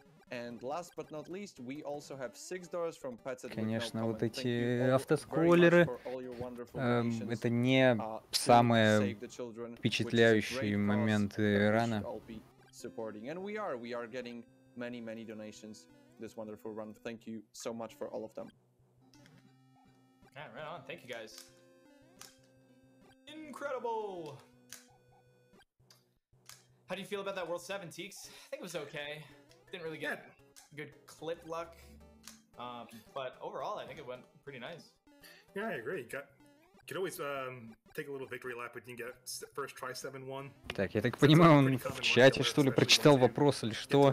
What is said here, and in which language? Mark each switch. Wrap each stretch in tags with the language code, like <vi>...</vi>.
<en>And last but not least, we also have $6 from Pets at</en> <ru>Конечно, вот эти автоскроллеры, это не самые впечатляющие моменты рана.</ru> <en>And we are getting many, many donations this wonderful run. Thank you so much for all of them. Yeah, right on. Thank you, guys. Incredible! How do you feel about that World 7, Teeks? I think it was okay. Didn't really get good clip luck, but overall I think it went pretty nice. Yeah, I agree. Could always take a little victory lap if you can get first try 7-1.</en> <ru>Так, я так понимаю, он в чате что ли прочитал вопрос или что?</ru>